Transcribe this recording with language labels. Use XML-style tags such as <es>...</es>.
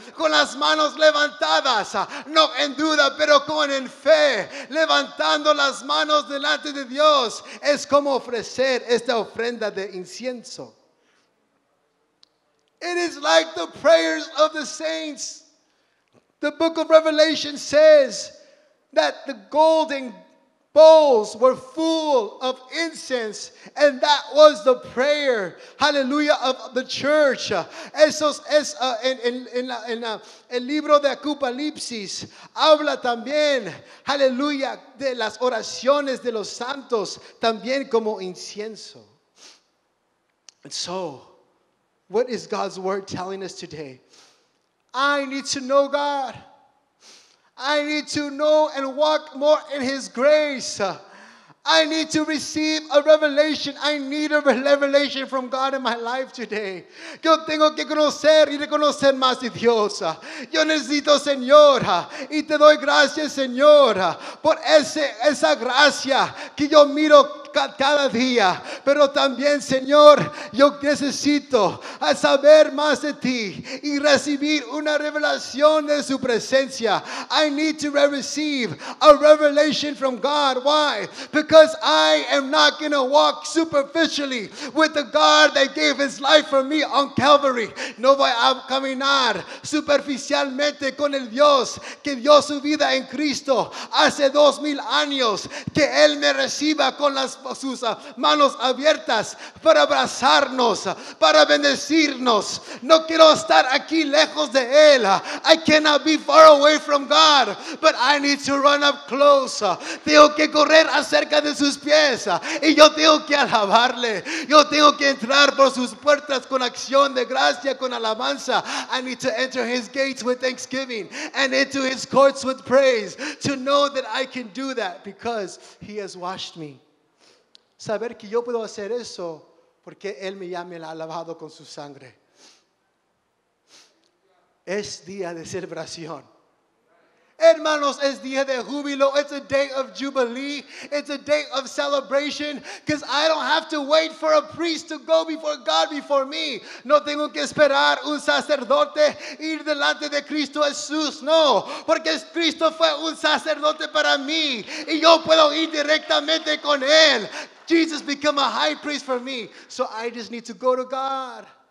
<es>Con las manos levantadas, no en duda, pero con en fe, levantando las manos delante de Dios. Es como ofrecer esta ofrenda de incienso.</es> <en>It is like the prayers of the saints. The book of Revelation says that the golden bowls were full of incense, and that was the prayer, hallelujah, of the church.</en> <es>Eso es el libro de Apocalipsis habla también, hallelujah, de las oraciones de los santos también como incienso.</es> <en>And so, what is God's word telling us today? I need to know God. I need to know and walk more in His grace. I need to receive a revelation. I need a revelation from God in my life today.</en> <es>Yo tengo que conocer y reconocer más de Dios. Yo necesito, Señor, y te doy gracias, Señor, por esa gracia que yo miro cada día. Pero también, Señor, yo necesito saber más de ti y recibir una revelación de su presencia.</es> <en>I need to receive a revelation from God. Why? Because I am not going to walk superficially with the God that gave his life for me on Calvary.</en> <es>No voy a caminar superficialmente con el Dios que dio su vida en Cristo hace 2,000 años. Que él me reciba con las sus manos abiertas para abrazarnos, para bendecirnos. No quiero estar aquí lejos de Él.</es> <en>I cannot be far away from God, but I need to run up close.</en> <es>Tengo que correr acerca de sus pies y yo tengo que alabarle. Yo tengo que entrar por sus puertas con acción de gracia, con alabanza.</es> <en>I need to enter His gates with thanksgiving and into His courts with praise to know that I can do that because He has washed me.</en> <es>Saber que yo puedo hacer eso porque Él me ya me ha lavado con su sangre. Es día de celebración. Hermanos, es día de júbilo.</es> <en>It's a day of jubilee. It's a day of celebration. Because I don't have to wait for a priest to go before God before me.</en> <es>No tengo que esperar un sacerdote ir delante de Cristo Jesús. No, porque Cristo fue un sacerdote para mí. Y yo puedo ir directamente con Él.</es> <en>Jesus become a high priest for me. So I just need to go to God.</en>